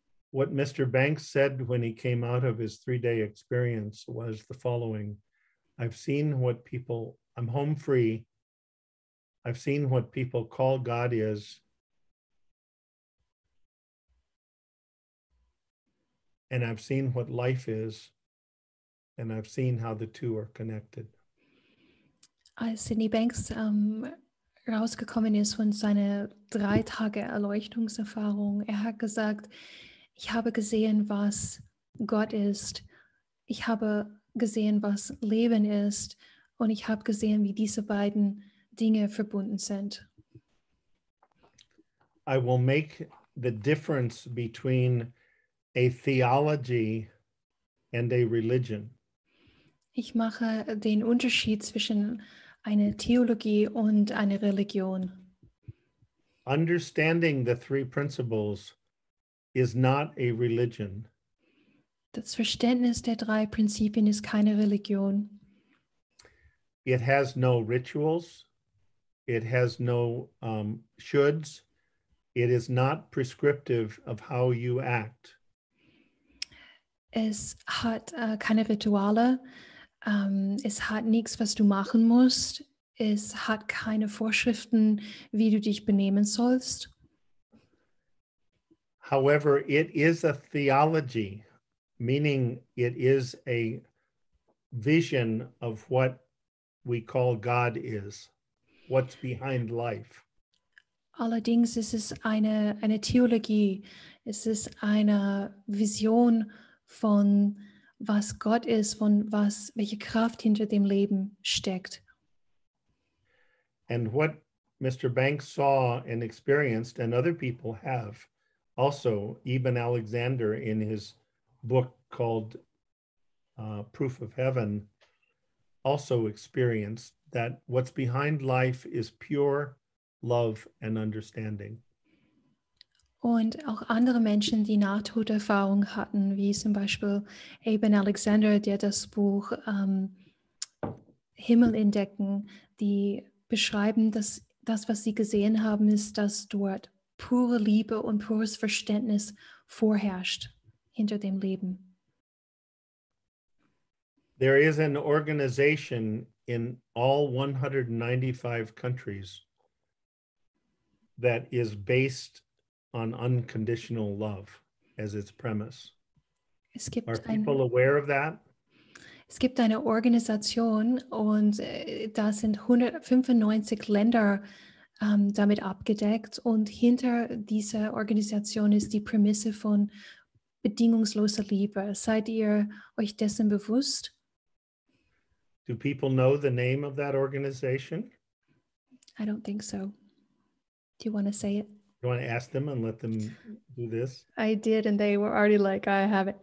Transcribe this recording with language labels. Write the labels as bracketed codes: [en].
[en] What Mr. Banks said when he came out of his 3-day experience was the following: I've seen what people, I'm home free. I've seen what people call God is. And I've seen what life is. And I've seen how the two are connected. [de] Als Sidney Banks rausgekommen ist von seiner 3-Tage Erleuchtungserfahrung, hat gesagt, ich habe gesehen, was Gott ist. Ich habe gesehen, was Leben ist. Und ich habe gesehen, wie diese beiden Dinge verbunden sind. [en] I will make the difference between a theology and a religion. [de] Ich mache den Unterschied zwischen einer Theologie und einer Religion. [en] understanding the three principles is not a religion. [de] Das Verständnis der drei Prinzipien ist keine Religion. [en] It has no rituals. It has no shoulds. It is not prescriptive of how you act. [de] Es hat keine Rituale. Es hat nichts, was du machen musst. Es hat keine Vorschriften, wie du dich benehmen sollst. [en] However, it is a theology, meaning it is a vision of what we call God is, what's behind life. [de] Allerdings ist es eine Theologie. Es ist eine Vision von was Gott ist, von was, welche Kraft hinter dem Leben steckt. [en] And what Mr. Banks saw and experienced, and other people have, also Eben Alexander in his book called Proof of Heaven, also experienced that what's behind life is pure love and understanding. [de] Und auch andere Menschen, die Nahtoderfahrung hatten, wie zum Beispiel Eben Alexander, der das Buch Himmel entdecken, die beschreiben, dass das, was sie gesehen haben, ist, dass dort pure Liebe und pures Verständnis vorherrscht hinter dem Leben. [en] There is an organization in all 195 countries that is based on unconditional love as its premise. Are people aware of that? [de] Es gibt eine Organisation und da sind 195 Länder damit abgedeckt und hinter dieser Organisation ist die Prämisse von bedingungsloser Liebe. Seid ihr euch dessen bewusst? [en] Do people know the name of that organization? I don't think so. Do you want to say it? You want to ask them and let them do this? I did and they were already like, I have it.